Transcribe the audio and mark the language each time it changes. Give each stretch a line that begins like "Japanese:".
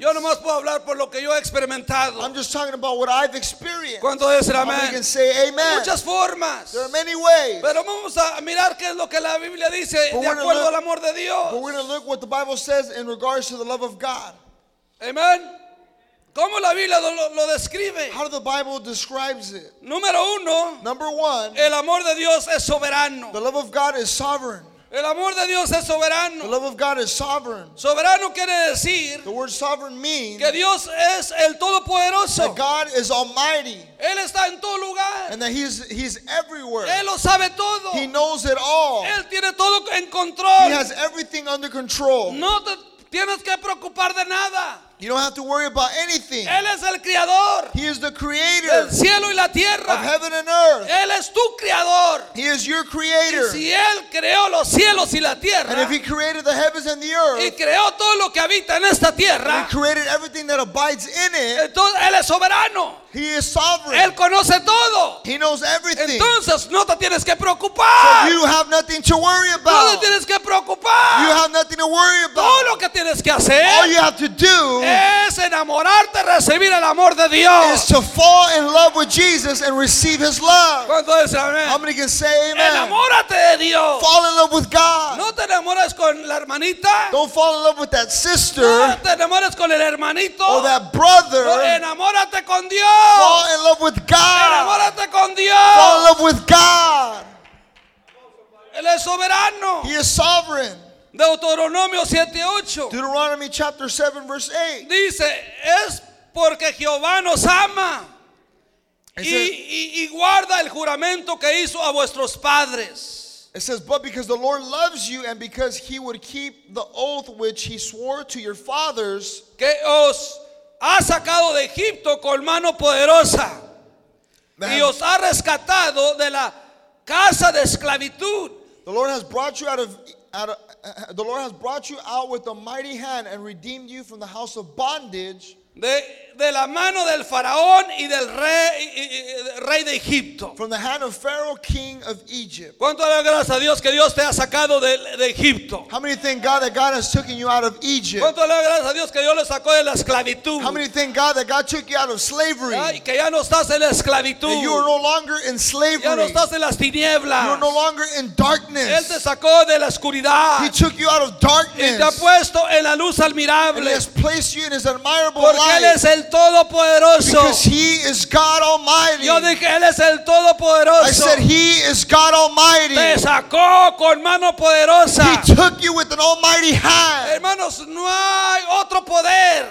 Spanish: Yo nomás puedo hablar por lo que yo he experimentado.
English: I'm just talking about what I've experienced.
Spanish: ¿Cuánto dicen amén?
English: You can say amen.
Spanish: Muchas formas.
English: There are many ways.
Spanish: Pero vamos a mirar qué es lo que la Biblia dice de acuerdo al amor de Dios.
English: But we're going to look what the Bible says in regards to the love of God.
Spanish: Amen. ¿Cómo la Biblia lo describe?
English: How the Bible describes it.
Spanish: Número uno.
English: Number one.
Spanish: El amor de Dios es soberano.
English: The love of God is sovereign.
Spanish: El amor de Dios es soberano.
English: The love of God is sovereign.
Spanish: Soberano quiere decir.
English: The word sovereign means.
Spanish: Que Dios es el todopoderoso.
English: That God is almighty.
Spanish: Él está en todo lugar.
English: And that he's everywhere.
Spanish: Él lo sabe todo.
English: He knows it all.
Spanish: Él tiene todo en control.
English: He has everything under control.
Spanish: No te tienes que preocupar de nada.
English: You don't have to worry about anything.
Spanish: Él es el creador.
English: He is the creator
Spanish: del cielo y la tierra.
English: Of heaven and earth.
Spanish: Él es tu creador.
English: He is your creator.
Spanish: Y si él creó los cielos y la tierra.
English: And if he created the heavens and the earth.
Spanish: Y creó todo lo que habita en esta tierra.
English: And he created everything that abides in it.
Spanish: Entonces, él es soberano.
English: He is sovereign.
Spanish: Él conoce todo.
English: He knows everything.
Spanish: Entonces, no te tienes que preocupar.
English: So you have nothing to worry about.
Spanish: No te tienes que preocupar.
English: You have nothing to worry about.
Spanish: Todo lo que tienes que hacer.
English: All you have to do.
Spanish: Es enamorarte, recibir el amor de Dios.
English: Is to fall in love with Jesus and receive His love.
Spanish: ¿Cuánto dice amén?
English: How many can say amen?
Spanish: Enamórate de Dios.
English: Fall in love with God.
Spanish: No te enamores con la hermanita.
English: Don't fall in love with that sister.
Spanish: No te enamores con el hermanito.
English: Or that brother.
Spanish: No, enamórate con Dios.
English: Fall in love with God.
Spanish: Enamórate con Dios.
English: Fall in love with God.
Spanish: Él es soberano.
English: He is sovereign.
Spanish: Deuteronomio 7:8.
English: Deuteronomy chapter 7 verse 8.
Spanish: Dice, es porque Jehová nos ama y guarda el juramento que hizo a vuestros padres.
English: It says, but because the Lord loves you and because he would keep the oath which he swore to your fathers,
Spanish: que os ha sacado de Egipto con mano poderosa y os ha rescatado de la casa de esclavitud.
English: The Lord has brought you out with a mighty hand and redeemed you from the house of bondage.
Spanish: De la mano del faraón y del rey de Egipto.
English: From the hand of Pharaoh, king of Egypt.
Spanish: ¿Cuánto le agradece a Dios que Dios te ha sacado de Egipto?
English: How many thank God that God has taken you out of Egypt?
Spanish: ¿Cuánto le agradece a Dios que Dios le sacó de la esclavitud?
English: How many thank God that God took you out of slavery?
Spanish: Ay, que ya no estás en la esclavitud.
English: That you are no longer in slavery.
Spanish: Ya no estás en las tinieblas.
English: You are no longer in darkness.
Spanish: Él te sacó de la oscuridad.
English: He took you out of darkness.
Spanish: Y te ha puesto en la luz admirable.
English: And he has placed you in his admirable light.
Spanish: Porque él es el Todopoderoso.
English: Because he is God Almighty.
Spanish: Yo dije, él es el Todopoderoso.
English: I said he is God Almighty.
Spanish: Te sacó con mano poderosa.
English: He took you with an almighty hand.
Spanish: Hermanos, no hay otro poder.